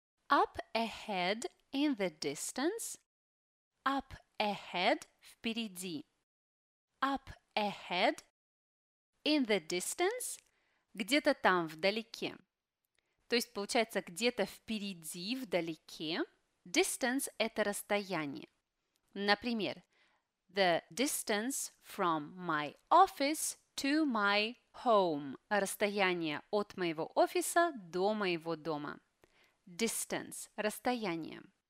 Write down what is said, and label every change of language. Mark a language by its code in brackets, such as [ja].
[en] Up ahead in the distance. Up ahead – [ru] впереди. [en] Up ahead in the distance – [ru] где-то там, вдалеке. То есть, получается, где-то впереди, вдалеке. Distance – это расстояние. Например, [en] the distance from my office to my home. [ru] Расстояние от моего офиса до моего дома. Distance – расстояние.